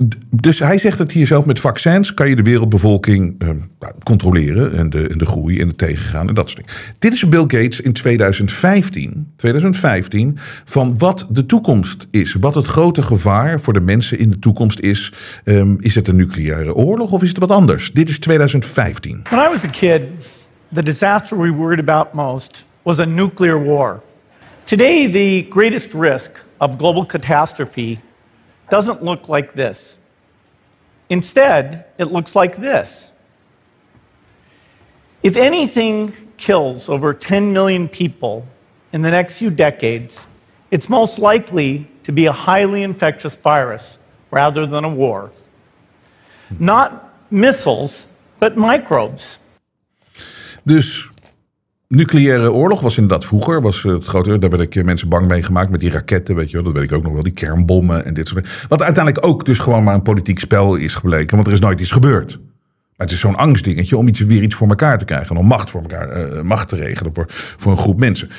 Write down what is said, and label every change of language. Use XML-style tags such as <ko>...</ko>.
<nl>Dus hij zegt het hier zelf. Met vaccins kan je de wereldbevolking controleren. En de groei en het tegengaan en dat soort dingen. Dit is Bill Gates in 2015. Van wat de toekomst is. Wat het grote gevaar voor de mensen in de toekomst is. Is het een nucleaire oorlog of is het wat anders? Dit is 2015.</nl> <en>When I was a kid, the disaster we worried about most was a nuclear war. Today the greatest risk of global catastrophe doesn't look like this. Instead, it looks like this. If anything kills over 10 million people in the next few decades, it's most likely to be a highly infectious virus rather than a war. Not missiles, but microbes.</en> <nl>Dus nucleaire oorlog was inderdaad vroeger, was het grote. Daar werd ik mensen bang mee gemaakt met die raketten, weet je wel. Dat weet ik ook nog wel, die kernbommen en dit soort dingen. Wat uiteindelijk ook dus gewoon maar een politiek spel is gebleken, want er is nooit iets gebeurd. Maar het is zo'n angstdingetje om weer iets voor elkaar te krijgen, om macht voor elkaar, macht te regelen voor een groep mensen.</nl>